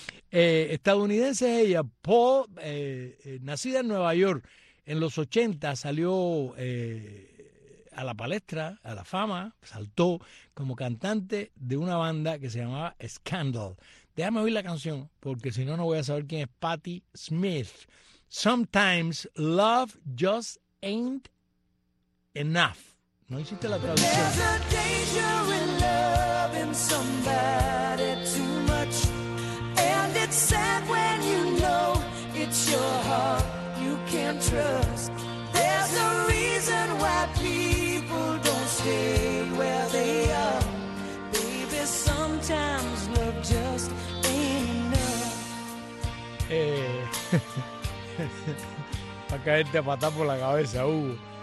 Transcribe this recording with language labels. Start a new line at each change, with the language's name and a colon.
Spanish: Estadounidense es ella. Paul, nacida en Nueva York. En los 80 salió a la palestra, a la fama, saltó como cantante de una banda que se llamaba Scandal. Déjame oír la canción, porque si no, no voy a saber quién es Patti Smith.
English: Sometimes love just ain't enough.
Spanish: No hiciste la traducción.
English: There's a danger in loving somebody too much. And it's sad when you know it's your heart. Can't trust. There's a reason why people don't stay where they are. Baby, sometimes love just ain't enough.
Spanish: Va a caerte a patar por la cabeza, Hugo.